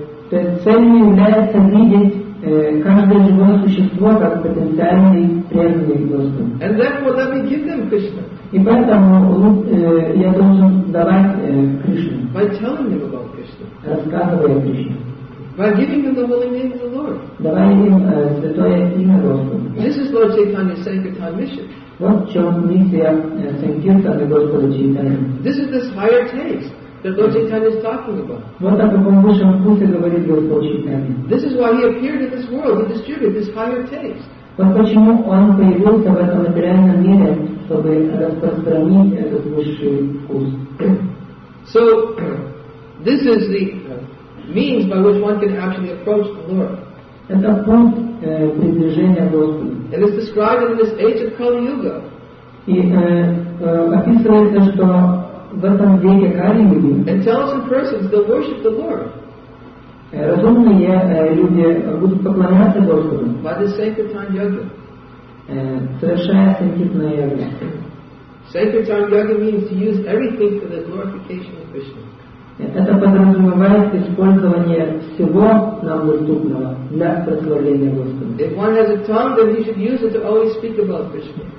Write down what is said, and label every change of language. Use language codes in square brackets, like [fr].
[ru] Цель является видеть каждое живое существо как потенциальный преданный Господу. [en] And therefore let me give them Krishna. [ru] И поэтому я должен давать Кришну. [en] By telling them about Krishna. [ru] Рассказывая Кришне. [en] By giving them the holy name of the Lord. [ru] Давая им святое имя Господа. [en] This is Lord Chaitanya's Sankirtan mission. [ru] Вот в чем миссия Санкиртаны Господа Чайтаньи. [en] This is this higher taste that Lord Chaitanya is talking about. [ru] Вот о каком высшем вкусе говорит Господь Чайтаньи. [en] This is why he appeared in this world to distribute this higher taste. [ru] Вот почему он появился в этом материальном мире, чтобы распространить этот высший вкус. [en] So, this is the means by which one can actually approach the Lord. [ru] Это пункт приближения Господа. [en] And it's described in this age of Kali Yuga. [ru] И описывается, что в этом веке Кали Юги. [en] Intelligent persons they worship the Lord. [ru] Разумные люди будут поклоняться Господу. [en] By the Sankirtan Yuga. [ru] Совершая Санкиртана Йога. [en] Sankirtan Yuga means to use everything for the glorification of Krishna. [ru] Это подразумевает использование всего нам доступного для прославления Господа. [en] If one has a tongue, then he should use it to always speak about Krishna.